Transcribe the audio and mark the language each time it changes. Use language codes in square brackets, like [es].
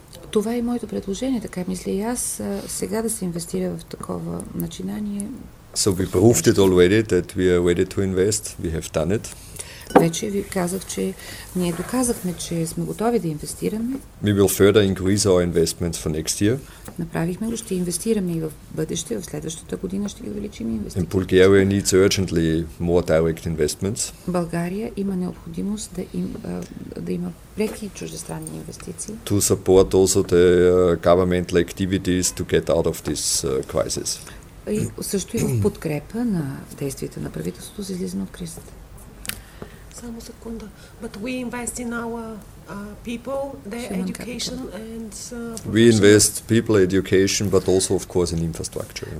[bg] Това е моето предложение, така мисля и аз, сега да се инвестира в такова начинание. [en] So we proved it already that we are ready to invest. We have done it. [bg] Вече ви казах, че ние доказахме, че сме готови да инвестираме. [en] We will further increase our investments for next year. [bg] Направихме го, ще инвестираме и в бъдеще, в следващата година ще ги увеличим инвестициите. [en] And Bulgaria needs urgently more direct investments. [bg] България има необходимост да има преки чуждестранни инвестиции. [en] To support also the governmental activities to get out of this crisis. [bg] И също и в подкрепа на действията на правителството за излизане от кризата. Само секунда. [en] But we invest in our people, their education and We invest people, education, but also of course in infrastructure.